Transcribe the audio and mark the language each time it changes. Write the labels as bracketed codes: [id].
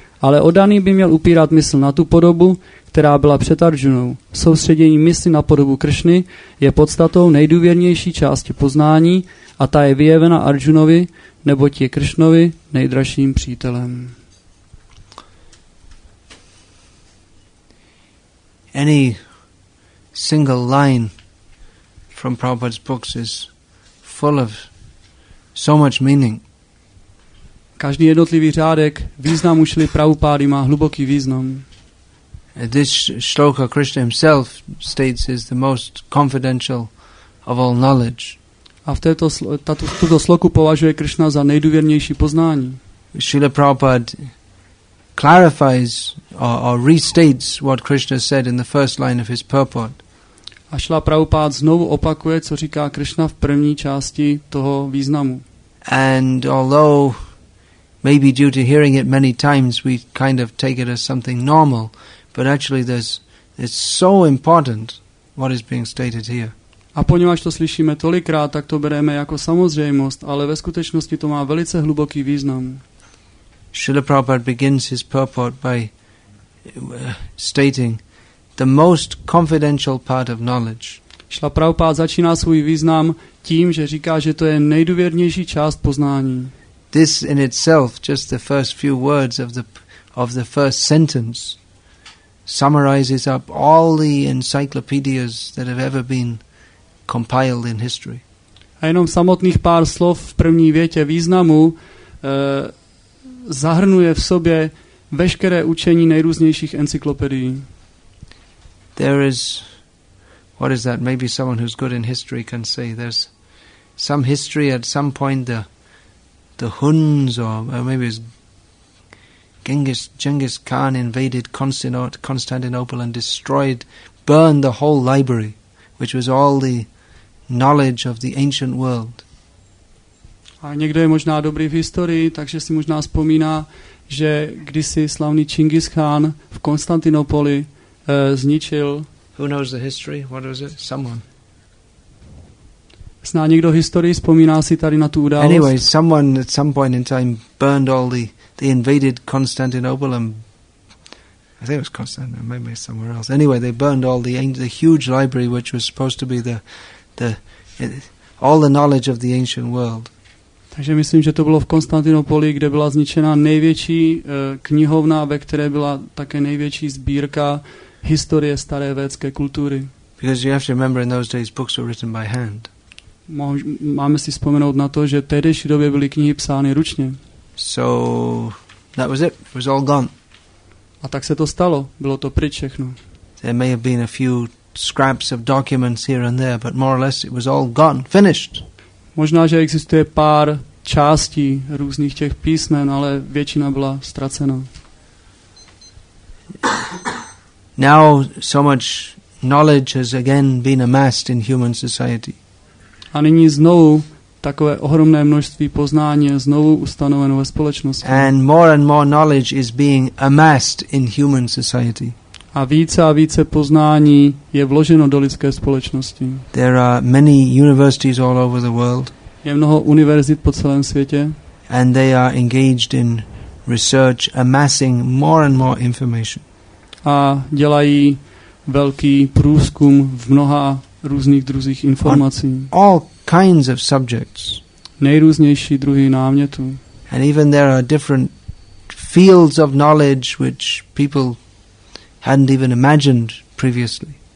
[cs] Ale oddaný by měl upírat mysl na tu podobu, která byla před Arjunou. Soustředění mysli na podobu Kršny je podstatou nejdůvěrnější části poznání a ta je vyjevena Arjunovi, neboť je Kršnovi nejdražším přítelem. [en] Any single line from Prabhupada's books is full of so much meaning. [cs] Každý jednotlivý řádek významu šli Prabhupády má hluboký význam. [en] This shloka Krishna himself states is the most confidential of all knowledge. [cs] A v této tuto sloku považuje Krishna za nejdůvěrnější poznání. [en] Srila Prabhupada clarifies or restates what Krishna said in the first line of his purport. [cs] A Srila Prabhupada znovu opakuje, co říká Krishna v první části toho významu. [en] And although maybe due to hearing it many times we kind of take it as something normal, but actually it's so important what is being stated here. [cs] A poněvadž to slyšíme tolikrát, tak to bereme jako samozřejmost, ale ve skutečnosti to má velice hluboký význam. [en] Srila Prabhupada begins his purport by stating the most confidential part of knowledge. [cs] Srila Prabhupada začíná svůj význam tím, že říká, že to je nejdůvěrnější část poznání. [en] This in itself, just the first few words of the first sentence, summarizes up all the encyclopedias that have ever been compiled in history. [cs] A jenom samotných pár slov v první větě významu zahrnuje v sobě veškeré učení nejrůznějších encyklopedií. [en] There is, what is that? Maybe someone who's good in history can say there's some history at some point the Huns or maybe it's Genghis Khan invaded Constantinople and burned the whole library, which was all the knowledge of the ancient world. [cs] A někdo je možná dobrý v historii, takže si možná vzpomíná, že kdysi slavný Čingis Khan v Konstantinopoli zničil. [en] Who knows the history? What was it? Someone. [cs] Zná někdo historii, vzpomíná si tady na tu událost. [en] Anyway, someone at some point in time burned all the invaded Constantinople and I think it was Constantinople, maybe somewhere else. Anyway, they burned all the huge library which was supposed to be all the knowledge of the ancient world. [cs] Takže myslím, že to bylo v Konstantinopoli, kde byla zničena největší knihovna, ve které byla také největší sbírka historie staré védské kultury. [en] Because you have to remember in those days books were written by hand. [cs] Máme si vzpomenout na to, že tehdejší době byly knihy psány ručně. [en] So that was it. It was all gone. [cs] A tak se to stalo. Bylo to pryč všechno. [en] There may have been a few scraps of documents here and there, but more or less it was all gone, finished. [cs] Možná, že existuje pár částí různých těch písmen, ale většina byla ztracena. [en] Now so much knowledge has again been amassed in human society. [cs] A nyní znovu takové ohromné množství poznání je znovu ustanoveno ve společnosti. [en] And more knowledge is being amassed in human society. [cs] A více poznání je vloženo do lidské společnosti. [en] There are many universities all over the world. [cs] Je mnoho univerzit po celém světě. [en] And they are engaged in research, amassing more and more information. [cs] A dělají velký průzkum v mnoha různých druzích informací. [en] All kinds of subjects. [cs] Nejrůznější druhy námětů. [en] And even there are different fields of knowledge which people hadn't even imagined previously.